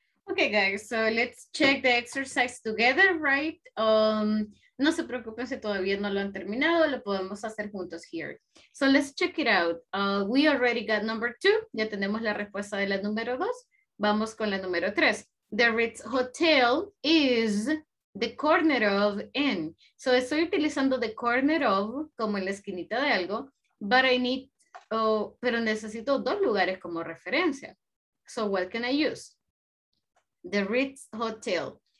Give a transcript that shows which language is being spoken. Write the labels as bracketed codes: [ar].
[en] Okay, guys, so let's check the exercise together, right? [es] No se preocupen si todavía no lo han terminado, lo podemos hacer juntos here. [en] So let's check it out. We already got number two. [es] Ya tenemos la respuesta de la número dos. Vamos con la número tres. [en] The Ritz Hotel is the corner of in. [es] So estoy utilizando [en] the corner of [es] como en la esquinita de algo, [en] but I need, [es] pero necesito dos lugares como referencia. [en] So what can I use? The Ritz Hotel.